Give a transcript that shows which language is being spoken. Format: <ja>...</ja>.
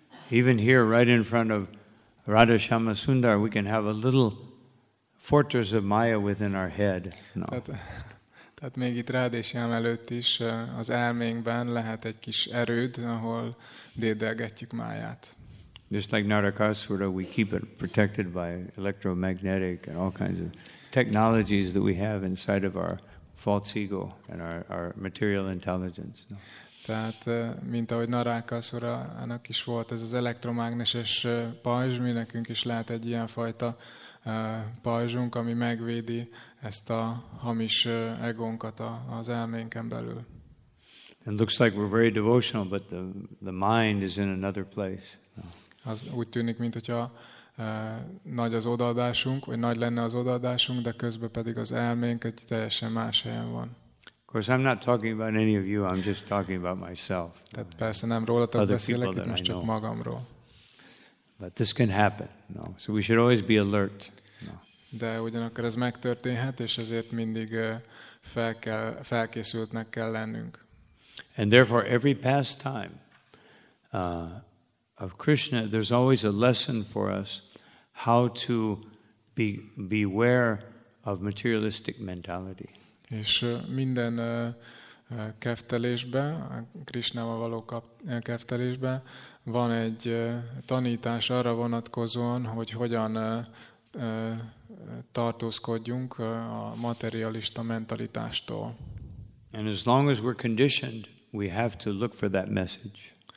<en>Even here, right in front of Radha Shyama Sundar, we can have a little fortress of Maya within our head. No.</en> <hu>Tehát még itt Radha Shyama előtt is az elménkben lehet egy kis erőd, ahol dédelgetjük Máját.</hu> <en>Just like Narakasura, we keep it protected by electromagnetic and all kinds of technologies that we have inside of our false ego and our material intelligence. No.</en> <hu>Tehát, mint ahogy Narakasura, annak is volt ez az elektromágneses pajzs, mi nekünk is lehet egy ilyen fajta pajzsunk, ami megvédi ezt a hamis egónkat az elménken belül.</hu> <en>It looks like we're very devotional, but the mind is in another place.</en> <hu>Az úgy tűnik, mint hogyha nagy az odaadásunk, vagy nagy lenne az odaadásunk, de közben pedig az elménk egy teljesen más helyen van.</hu> <en>Of course, I'm not talking about any of you, I'm just talking about myself.</en> <hu>Tehát persze nem rólatok beszélek, itt most csak magamról.</hu> <en>But this can happen, no. So we should always be alert. No.</en> <hu>De ugyanakkor ez megtörténhet, és ezért mindig felkészültnek kell lennünk.</hu> <en>And therefore, every pastime of Krishna, there's always a lesson for us how to beware of materialistic mentality.</en> <hu>És minden keftelésben, a Krishnával való keftelésben van egy tanítás arra vonatkozóan, hogy hogyan tartózkodjunk a materialista mentalitástól.</hu> <en>And as long as we're conditioned, we have to look for that message.</en>